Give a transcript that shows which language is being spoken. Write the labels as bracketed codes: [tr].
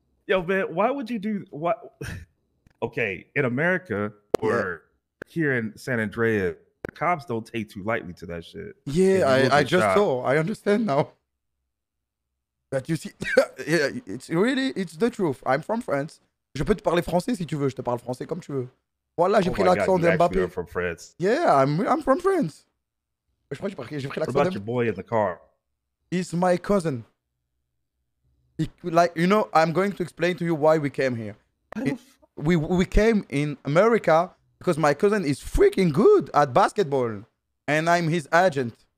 [en] Yo, man, why would you do what? Okay, in America or here in San Andreas, cops don't take too lightly to that shit. Yeah, I just saw. I understand now. But you see, yeah, it's the truth. I'm from France. [fr] Je peux te parler français si tu veux. Je te parle français comme tu veux. Voilà, j'ai pris l'accent de Mbappé. [en] You're from France. Yeah, I'm from France. [fr] Je crois que j'ai pris l'accent. [en] What about your boy in the car? He's my cousin. Like, you know, I'm going to explain to you why we came here. We came in America because my cousin is freaking good at basketball and I'm his agent.